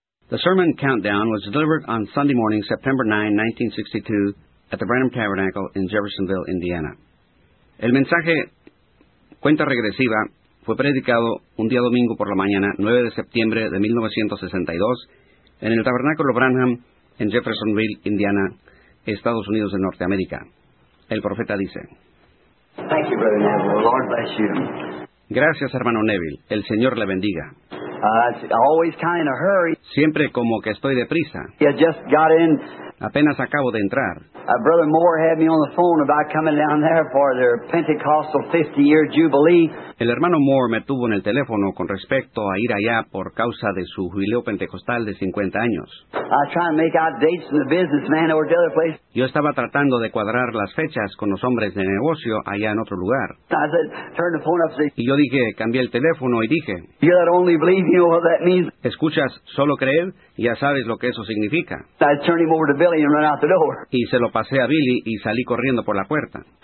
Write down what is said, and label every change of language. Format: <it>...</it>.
<en>The sermon countdown was delivered on Sunday morning, September 9, 1962, at the Branham Tabernacle in Jeffersonville, Indiana.</en> <es>El mensaje Cuenta Regresiva fue predicado un día domingo por la mañana, 9 de septiembre de 1962, en el Tabernáculo Branham en Jeffersonville, Indiana, Estados Unidos de Norteamérica. El profeta dice:</es> <en>Thank you, Brother Neville. The Lord bless you.</en> <es>Gracias, hermano Neville. El Señor le bendiga.</es> <en>Always kind of hurry.</en> <es>Siempre como que estoy deprisa.</es> <en>Yeah, just got in.</en> <es>Apenas acabo de entrar.</es> <en>Brother Moore had me on the phone about coming down there for their Pentecostal 50-year jubilee.</en> <es>El hermano Moore me tuvo en el teléfono con respecto a ir allá por causa de su jubileo pentecostal de 50 años.</es> <en>I was trying to make out dates with the businessman over at the other place.</en> <es>Yo estaba tratando de cuadrar las fechas con los hombres de negocio allá en otro lugar.</es> <en>I said, turn the phone up.</en> <es>Y yo dije, cambié el teléfono y dije,</es> <en>you that only believe, you know what that means.</en> <es>Escuchas solo creer, ya sabes lo que eso significa.</es> <en>I turned him over to Billy and ran out the door.</en> <es>Y se lo pasé a Billy y salí corriendo por la puerta.</es>